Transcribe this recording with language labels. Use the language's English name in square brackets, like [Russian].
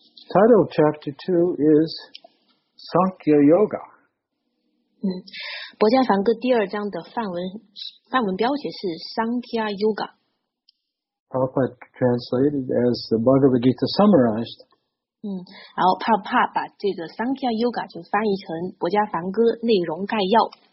[English] The title of chapter 2 is Sankhya Yoga. [Chinese] 博加梵歌第二章的梵文标题是 Sankhya Yoga. [English] Prabhupada translated as the Bhagavad Gita summarized. [Chinese] 然后 Prabhupada 把这个 Sankhya Yoga 就翻译成博加梵歌内容概要。